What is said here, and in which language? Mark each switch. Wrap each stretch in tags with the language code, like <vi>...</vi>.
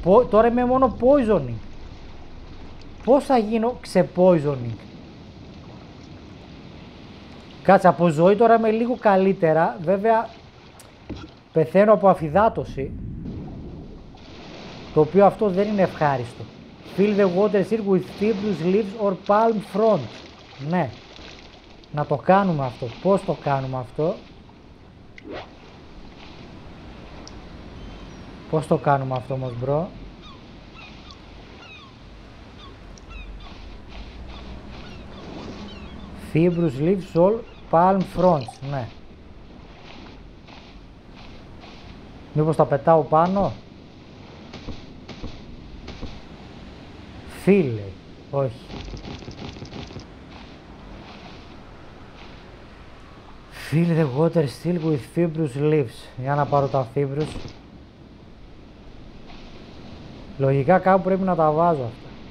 <el>Τώρα είμαι μόνο poisoning. Πώς θα γίνω ξεπόιζονινγκ. Κάτσε, από ζωή τώρα είμαι λίγο καλύτερα. Βέβαια, πεθαίνω από αφυδάτωση. Το οποίο αυτό δεν είναι ευχάριστο.</el> <en>Fill the waters here with fibrous leaves or palm front.</en> <el>Ναι. Να το κάνουμε αυτό. Πώς το κάνουμε αυτό. Πώς το κάνουμε αυτό όμως, μπρο.</el> <en>Fibrous leaves all palm fronts, ναι.</en> <el>Μήπως τα πετάω πάνω. Φίλε, όχι.</el> <en>Fill the water still with fibrous leaves.</en> <el>Για να πάρω τα fibrous. Λογικά κάπου πρέπει να τα βάζω αυτά.</el>